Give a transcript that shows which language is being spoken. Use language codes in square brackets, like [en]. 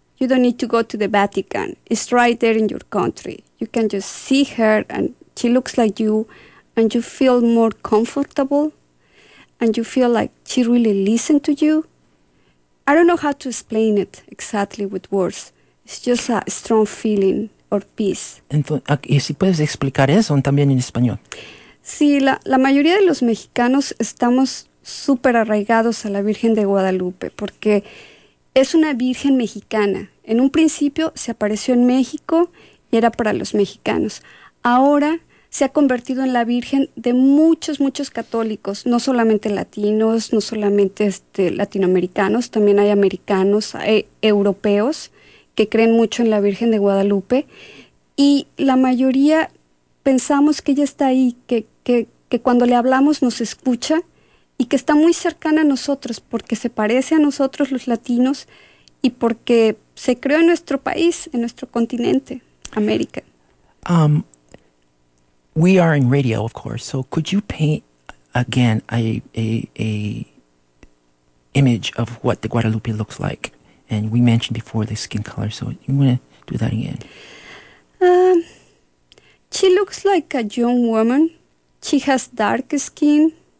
[en] You don't need to go to the Vatican. It's right there in your country. You can just see her, and she looks like you, and you feel more comfortable, and you feel like she really listened to you. I don't know how to explain it exactly with words. It's just a strong feeling or peace. [es] Entonces, ¿y si puedes explicar eso también en español? Sí, la mayoría de los mexicanos estamos súper arraigados a la Virgen de Guadalupe porque es una virgen mexicana. En un principio se apareció en México y era para los mexicanos. Ahora se ha convertido en la virgen de muchos, muchos católicos, no solamente latinos, no solamente latinoamericanos, también hay americanos, hay europeos que creen mucho en la Virgen de Guadalupe. Y la mayoría pensamos que ella está ahí, que cuando le hablamos nos escucha y que está muy cercana a nosotros porque se parece a nosotros los latinos y porque se creó en nuestro país, en nuestro continente, América. [en] We are in radio, of course, so could you paint again a image of what the Guadalupe looks like? And we mentioned before the skin color, so you want to do that again? She looks like a young woman. She has dark skin.